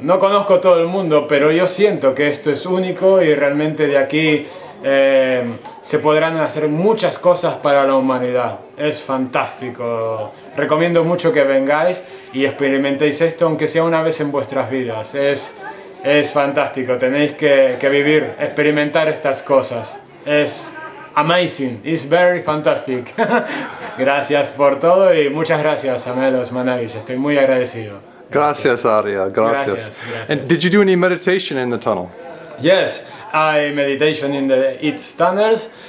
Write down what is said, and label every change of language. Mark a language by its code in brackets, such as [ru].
[es] No conozco todo el mundo, pero yo siento que esto es único y realmente de aquí se podrán hacer muchas cosas para la humanidad. Es fantástico. Recomiendo mucho que vengáis y experimentéis esto, aunque sea una vez en vuestras vidas. Es fantástico, tenéis que vivir, experimentar estas cosas. [en] Es amazing, it's very fantastic. [es] Gracias por todo y muchas gracias, Ariel Osmanagic. Estoy muy agradecido. Gracias, Ariel, gracias. Gracias. [en] And did you do any meditation in the tunnel? Yes, I meditation in the its tunnels.